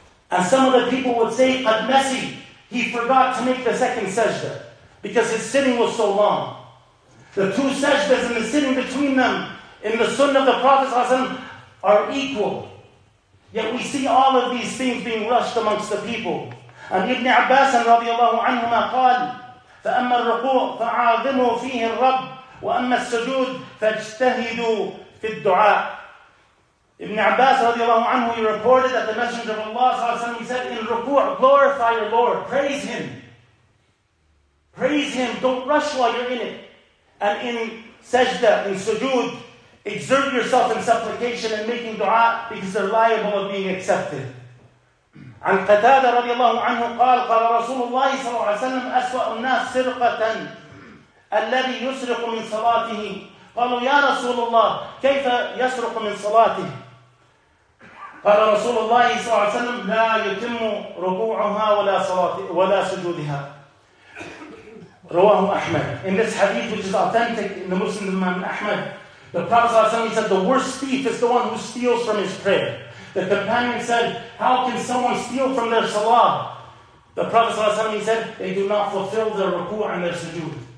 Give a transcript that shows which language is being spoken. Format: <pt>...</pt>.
<en>And some of the people would say,</en> <ar>قَدْ نَسِي.</ar> <en>He forgot to make the second sajda because his sitting was so long. The two sajdas and the sitting between them in the sunnah of the Prophet ﷺ are equal. Yet we see all of these things being rushed amongst the people.</en> <ar>And Ibn Abbas رضي الله عنهما قال, فأما الركوع فعاظموا فيه الرب وأما السجود فاجتهدوا في الدعاء.</ar> <en>Ibn Abbas رضي الله عنه, he reported that the Messenger of Allah صلى الله عليه وسلم, he said, in ruku' glorify your Lord, praise Him. Praise Him, don't rush while you're in it. And in sajda, in sujood, exert yourself in supplication and making dua because they're liable of being accepted.</en> <ar>عن قتادة رضي الله عنه قال قال رسول الله صلى الله عليه وسلم أسوأ الناس سرقة الذي يسرق من صلاته. قالوا يا رسول الله كيف يسرق من صلاته؟ قال رسول الله صلى الله عليه وسلم لا يتم ركوعها ولا صلاته ولا سجودها. رواه أحمد.</ar> <en>In this hadith which is authentic in the Muslim Imam Ahmad, the Prophet ﷺ said, the worst thief is the one who steals from his prayer. The companion said, how can someone steal from their salah? The Prophet ﷺ said, they do not fulfill their ruku' and their sujood.</en>